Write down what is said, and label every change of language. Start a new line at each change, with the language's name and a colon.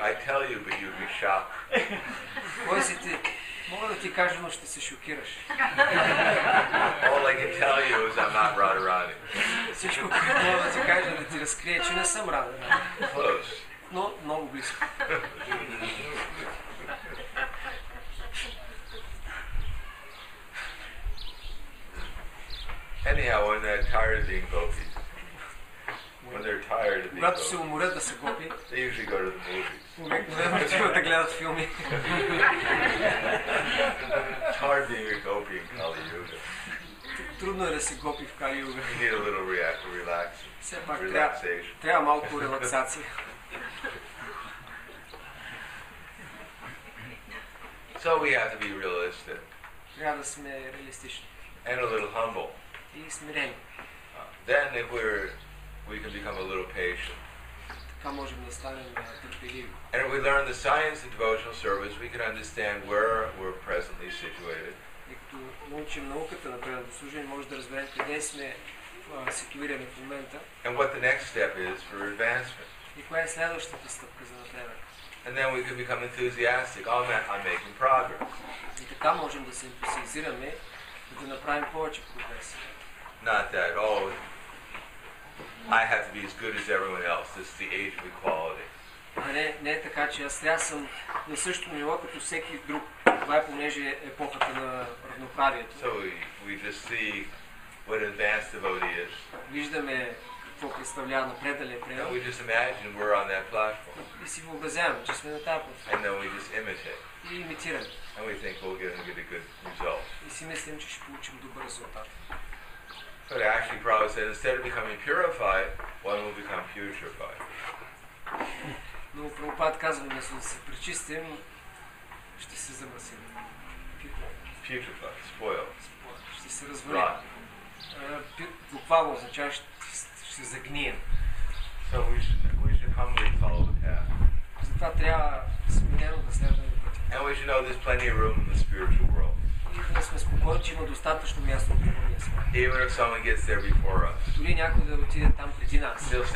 English: I tell you, but you'd be shocked. All I can tell you is I'm not Radharani.
Bulgarian: всичко, което мога да ти кажа, да ти разкрия, че не съм рада.
English: Close.
Bulgarian: Но много близко.
English: Anyhow, when they're tired of being gopi, when they're tired of being gopi,
Bulgarian: се уморят да са гопи,
English: they usually go to the movies.
Bulgarian: Обикновено да гледат филми.
English: It's hard being a gopi in Kali Yuga.
Bulgarian: Трудно е да си гопи в Кали Юга.
English: You need a little relax.
Bulgarian: Все пак трябва малко релаксация.
English: So we have to be realistic.
Bulgarian: Трябва да сме реалистични.
English: And a little humble.
Bulgarian: И смирени.
English: Then if we can become a little patient.
Bulgarian: Така можем да станем търпеливи.
English: And if we learn the science of devotional service, we can understand where we're presently situated.
Bulgarian: И като научим науката на преданото служение, може да разберем къде сме ситуирани в момента.
English: And what the next step is for advancement.
Bulgarian: И коя е следващата стъпка за напредък.
English: And then we can become enthusiastic. Oh man, I'm making progress.
Bulgarian: И така можем да се ентусиазираме и да направим повече прогрес.
English: Not that, oh, I have to be as good as everyone else. This is the age of equality.
Bulgarian: Не е така, че аз трябва съм на същото ниво като всеки друг. Това е понеже епохата на равноправието.
English: So we just see what advanced devotee is.
Bulgarian: Виждаме какво представлява напредали преданик.
English: And we just imagine we're on that platform.
Bulgarian: И си въобразяваме, че сме на тази платформа.
English: And then we just imitate.
Bulgarian: И имитираме.
English: And we think we're going to get a good result.
Bulgarian: И си мислим, че ще получим добър резултат.
English: But actually, Prabhupada said, instead of becoming purified, one will become putrefied.
Bulgarian: Но Прабхупад казва, вместо да се пречистим, ще се замърсим.
English: Putrefied, spoiled.
Bulgarian: Ще се развалим. Буквално означава, ще се загнием.
English: So we should humbly follow the path.
Bulgarian: Затова трябва смирено да следваме пътя.
English: And we should know there's plenty of room in the spiritual world.
Bulgarian: И да сме спокойни, че има достатъчно място в другия свят. Дори някой да отиде там преди нас.